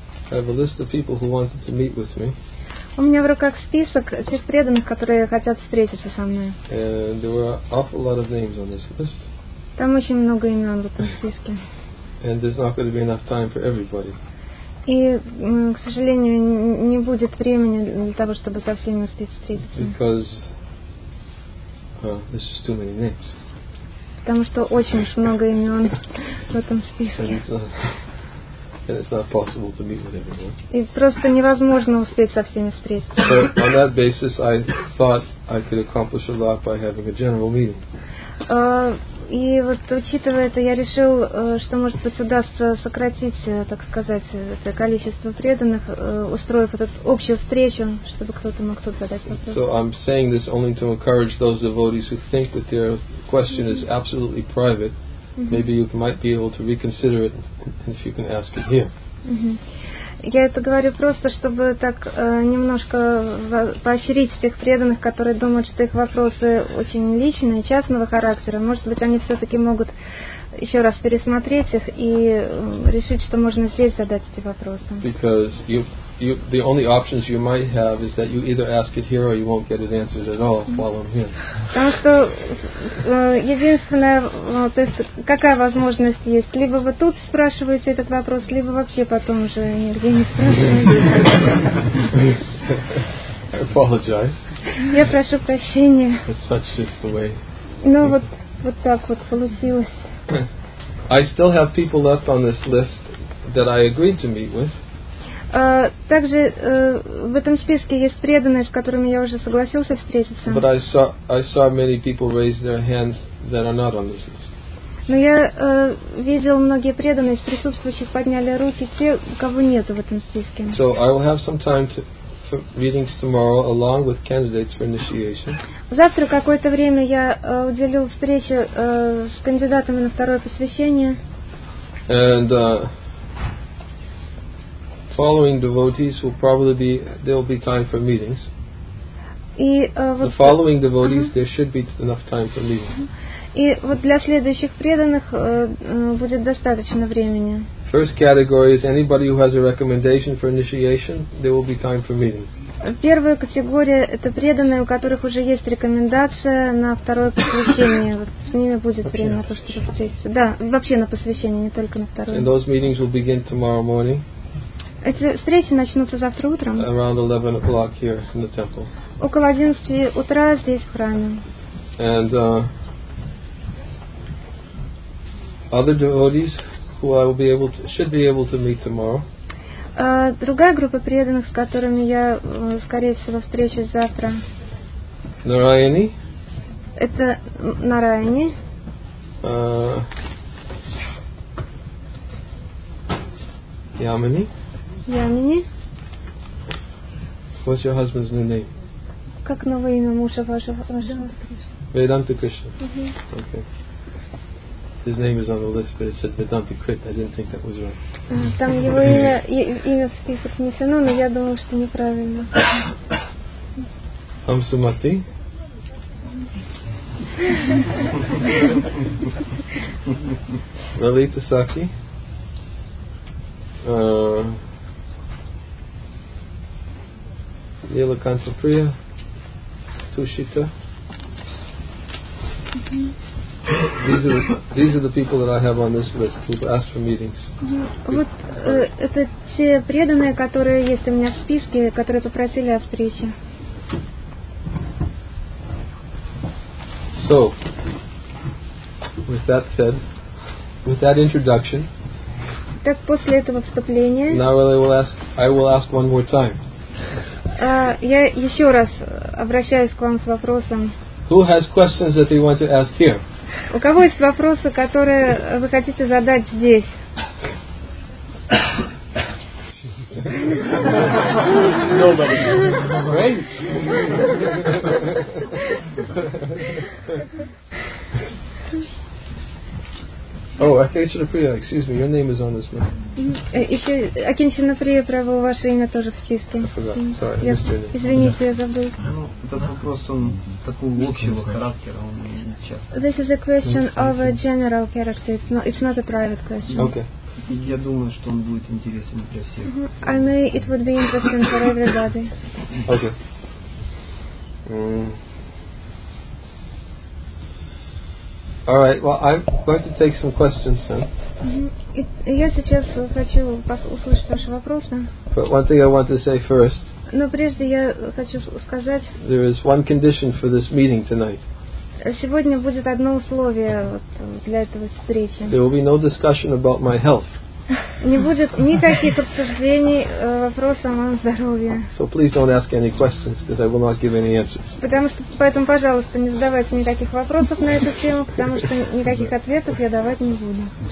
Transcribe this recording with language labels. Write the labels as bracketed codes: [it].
[en] I have a list of people who wanted to meet with me. [ru] У меня в руках список тех преданных, которые хотят встретиться со мной. [en] And there were an awful lot of names on this list. [ru] Там очень много имен в этом списке. [en] And there's not going to be enough time for everybody. [ru] И, к сожалению, не будет времени для того, чтобы со всеми встретиться. [en] Because this is too many names. [ru] Потому что очень уж много имен в этом списке. [en] And it's not possible to meet with everyone. [ru] И просто невозможно успеть со всеми встретиться. [en] So on that basis, I thought I could accomplish a lot by having a general meeting. [ru] И вот учитывая это, я решил, что может быть удастся сократить, так сказать, это количество преданных, устроив эту общую встречу, чтобы кто-то мог тут задать вопрос. [en] So I'm saying this only to encourage those devotees who think that their question is absolutely private. Maybe you might be able to reconsider it if you can ask it here. [ru] Я это говорю просто, чтобы так немножко поощрить тех преданных, которые думают, что их вопросы очень личные, частного характера. Может быть, они все-таки могут еще раз пересмотреть их и решить, что можно здесь задать эти вопросы. [en] Because you, the only options you might have is that you either ask it here or you won't get it answered at all while I'm here. [ru] Потому что единственное, то есть какая возможность есть? Либо вы тут спрашиваете этот вопрос, либо вообще потом уже нигде не спрашиваете. [en] I apologize. [ru] Я прошу прощения. [en] But such is the way. [ru] Ну вот так вот получилось. [en] I still have people left on this list that I agreed to meet with. [ru] Также в этом списке есть преданные, с которыми я уже согласился встретиться. [en] But I saw many people raise their hands that are not on this list. [ru] Но я видел многие преданные, из присутствующих подняли руки те, кого нету в этом списке. [en] So I will have some time for readings tomorrow, along with candidates for initiation. [ru] Завтра какое-то время я уделил встрече с кандидатами на второе посвящение. [en] And following devotees will probably be there will be time for meetings. The following devotees there should be enough time for meetings. [ru] И вот для следующих преданных будет достаточно времени. [en] First category is anybody who has a recommendation for initiation. There will be time for meetings. [ru] Первая категория это преданные, у которых уже есть рекомендация на второе посвящение. Вот с ними будет время на то, чтобы встретиться. Да, вообще на посвящение, не только на второе. [en] And those meetings will begin tomorrow morning. [ru] Эти встречи начнутся завтра утром. [en] Around 11 o'clock here in the temple. [ru] Около 11 утра здесь в храме. [en] And other devotees who I will be able to, should be able to meet tomorrow. [ru] Другая группа преданных, с которыми я, скорее всего, встречусь завтра. Нараяни. Это Нараяни. Ямини. Ямини. [en] What's your husband's new name? [ru] Как новое имя мужа вашего? Веданта Кришна. Mm-hmm. Okay. [en] His name is on the list, but it said Vedanta Krit. I didn't think that was right. [ru] Там его имя в список внесено, но я думала, что неправильно. Амсумати. Лалита Саки. Лила Кантаприя. Тушита. [en] These are the people that I have on this list who asked for meetings. [ru] Вот это те преданные, которые есть у меня в списке, которые попросили о встрече. [en] So, with that said, with that introduction, [ru] так после этого вступления, [en] now I will ask one more time. [ru] Я еще раз обращаюсь к вам с вопросом. [en] Who has questions that they want to ask here? [ru] У кого есть вопросы, которые вы хотите задать здесь? [en] Nobody. Right? Oh, Akinchana Priya, excuse me, your name is on this list. [ru] Еще Акинчана Прия, право, ваше имя тоже в списке. [en] Sorry, [ru] извините, я забыл. Ну, этот вопрос он такого общего характера, он часто. [en] This is a question of a general character. It's not a private question. Okay. [ru] Я думаю, что он будет интересен для всех. [en] I know it would be interesting for everybody. Okay. All right. Well, I'm going to take some questions then. [ru] Я сейчас хочу услышать ваши вопросы. [en] But one thing I want to say first. [ru] Но прежде я хочу сказать. [en] There is one condition for this meeting tonight. [ru] Сегодня будет одно условие для этого встречи. [en] There will be no discussion about my health. [ru] Не будет никаких обсуждений вопроса о моем здоровье. [en] So please don't ask any questions, because I will not give any answers. [ru] Потому что, поэтому, пожалуйста, не задавайте никаких вопросов на эту тему, потому что никаких ответов я давать не буду.